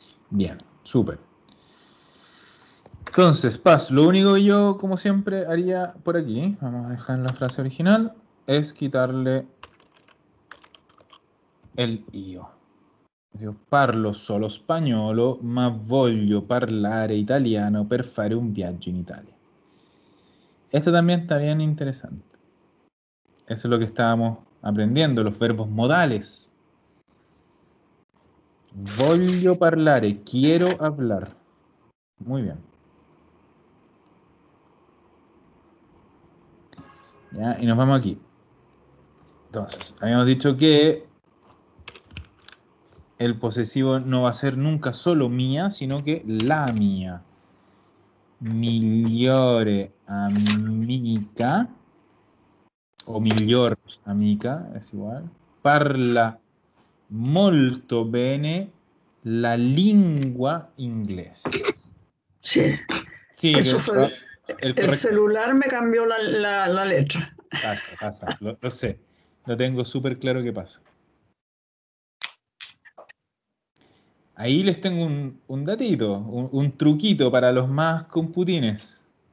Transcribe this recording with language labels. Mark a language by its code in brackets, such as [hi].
[es] Bien, súper. Entonces, Paz, lo único que yo, como siempre, haría por aquí, vamos a dejar la frase original, es quitarle el io. [it] Yo parlo solo español, ma voglio parlare italiano per fare un viaggio in Italia. [es] Esto también está bien interesante. Eso es lo que estábamos aprendiendo, los verbos modales. [it] Voglio parlare, [es] quiero hablar. Muy bien. Ya, y nos vamos aquí. Entonces, habíamos dicho que el posesivo no va a ser nunca solo mía, sino que la mía. [it] Migliore amica. O miglior amica, [es] es igual. [it] Parla molto bene la lingua inglesa. [es] Sí. Sí, eso fue. El celular me cambió la letra. Pasa, lo sé. Lo tengo súper claro que pasa. Ahí les tengo un datito, un truquito para los más computines.